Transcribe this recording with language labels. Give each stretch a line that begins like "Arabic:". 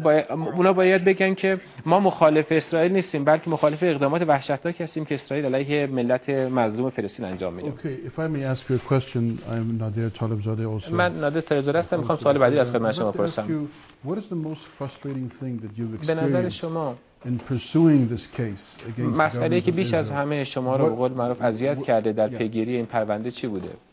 Persian: اونا باید بگن که ما مخالف اسرائیل نیستیم، بلکه مخالف اقدامات وحشتناک هستیم که اسرائیل علیه ملت مظلوم فلسطین انجام میده.
English: Okay, if I may ask you a question, I'm Nader Talibzadeh also.
Persian: من نادر طالب‌زاده هستم، میخوام سوال بعدی از خدمت شما بپرسم.
English: What is the most frustrating thing that you've experienced in pursuing this case against the government?
Persian: مسئله که بیش از همه شما رو به قول معروف اذیت کرده در پیگیری این پرونده چی بوده؟